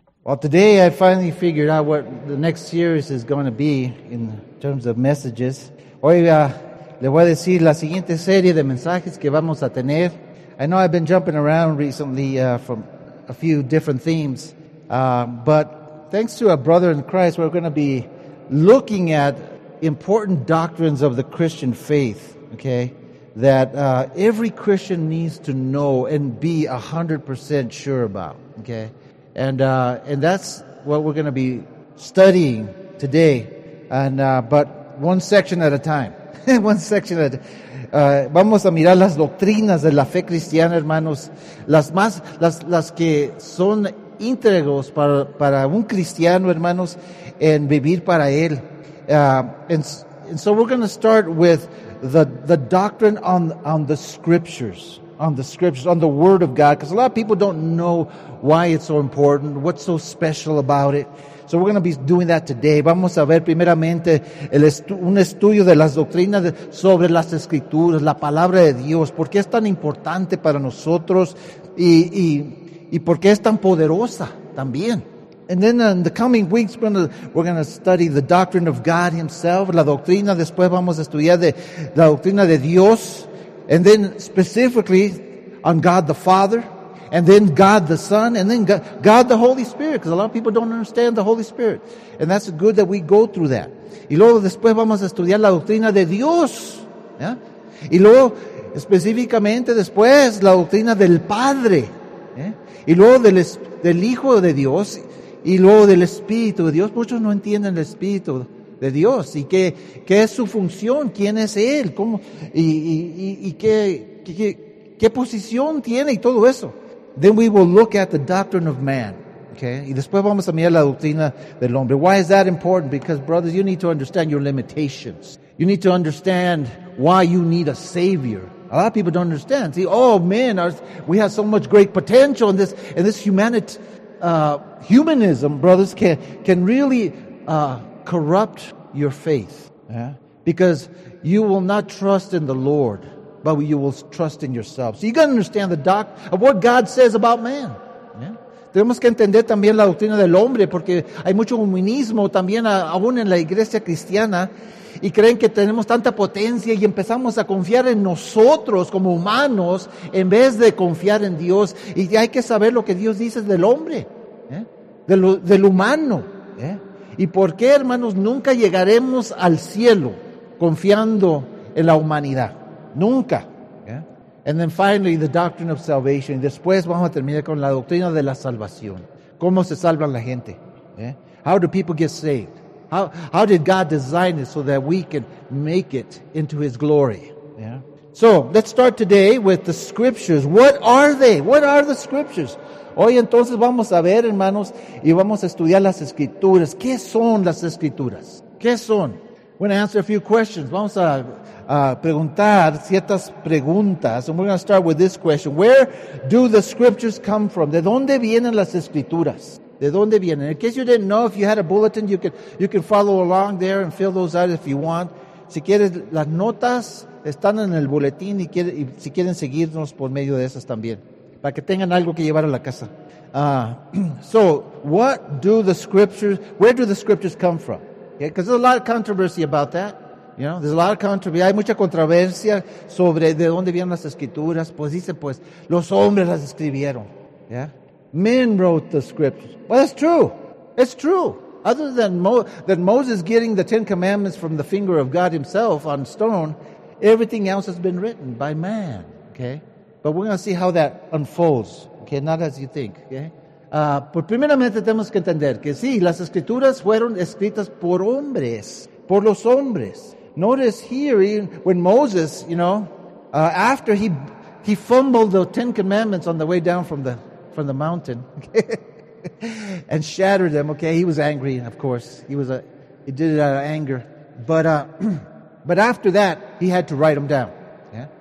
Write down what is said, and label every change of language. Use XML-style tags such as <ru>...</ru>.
<en>Well, today I finally figured out what the next series is going to be in terms of messages.</en> <es>Hoy le voy a decir la siguiente serie de mensajes que vamos a tener.</es> <en>I know I've been jumping around recently from a few different themes, but thanks to a brother in Christ, we're going to be looking at important doctrines of the Christian faith, okay, that every Christian needs to know and be 100% sure about, okay? And that's what we're going to be studying today. But one section at a time. One section at a time.</en> <es>Vamos a mirar las doctrinas de la fe cristiana, hermanos. Las que son íntegros para un cristiano, hermanos, en vivir para él.</es> <en>And so we're going to start with the doctrine on the scriptures. On the scriptures, on the word of God, because a lot of people don't know why it's so important, what's so special about it. So we're going to be doing that today.</en> <es>Vamos a ver primeramente un estudio de las doctrinas sobre las escrituras, la palabra de Dios, por qué es tan importante para nosotros y por qué es tan poderosa también.</es> <en>And then in the coming weeks, we're going to study the doctrine of God himself,</en> <es>la doctrina. Después vamos a estudiar de la doctrina de Dios.</es> <en>And then specifically on God the Father, and then God the Son, and then God the Holy Spirit, because a lot of people don't understand the Holy Spirit. And that's good that we go through that.</en> <es>Y luego después vamos a estudiar la doctrina de Dios. ¿Ya? Y luego específicamente después la doctrina del Padre. ¿Eh? Y luego del Hijo de Dios, y luego del Espíritu de Dios. Muchos no entienden el Espíritu de Dios, y qué es su función, quién es Él, cómo, y qué posición tiene y todo eso.</es> <en>Then we will look at the doctrine of man, okay?</en> <es>Y después vamos a mirar la doctrina del hombre.</es> <en>Why is that important? Because, brothers, you need to understand your limitations. You need to understand why you need a Savior. A lot of people don't understand. See, oh, man, we have so much great potential in this humanity. Humanism, brothers, can really corrupt your faith, yeah? Because you will not trust in the Lord, but you will trust in yourself. So you got to understand the doctrine of what God says about man. Yeah?</en> <es>Tenemos que entender también la doctrina del hombre, porque hay mucho humanismo también aún en la iglesia cristiana, y creen que tenemos tanta potencia y empezamos a confiar en nosotros como humanos en vez de confiar en Dios. Y hay que saber lo que Dios dice del hombre, yeah? del humano, yeah? ¿Y por qué, hermanos, nunca llegaremos al cielo confiando en la humanidad? Nunca. Yeah.</es> <en>And then finally, the doctrine of salvation.</en> <es>Y después vamos a terminar con la doctrina de la salvación. ¿Cómo se salvan la gente?</es> <en>Yeah. How do people get saved? How did God design it so that we can make it into His glory? Yeah. So, let's start today with the scriptures. What are they? What are the scriptures?</en> <es>Hoy entonces vamos a ver, hermanos, y vamos a estudiar las escrituras. ¿Qué son las escrituras? ¿Qué son?</es> <en>We're going to answer a few questions.</en> <es>Vamos a preguntar ciertas preguntas.</es> <en>And we're going to start with this question. Where do the scriptures come from?</en> <es>¿De dónde vienen las escrituras? ¿De dónde vienen?</es> <en>In case you didn't know, if you had a bulletin, you can follow along there and fill those out if you want.</en> <es>Si quieres, las notas están en el boletín y si quieren seguirnos por medio de esas también. Para que tengan algo que llevar a la casa.</es> <en>So, what do the scriptures, where do the scriptures come from? Because okay, there's a lot of controversy about that. You know, there's a lot of controversy.</en> <es>Hay mucha controversia sobre de dónde vienen las escrituras. Pues dice, pues, los hombres las escribieron. Yeah?</es> <en>Men wrote the scriptures. Well, that's true. It's true. Other than than Moses getting the Ten Commandments from the finger of God himself on stone, everything else has been written by man. Okay? But we're going to see how that unfolds, okay? Not as you think, okay?</en> <es>Por primeramente tenemos que entender que sí, las escrituras fueron escritas por hombres, por los hombres.</es> <en>Notice here, when Moses, you know, after he fumbled the Ten Commandments on the way down from the mountain, okay? And shattered them, okay? He was angry, of course. He did it out of anger. But after that, he had to write them down, yeah?</en>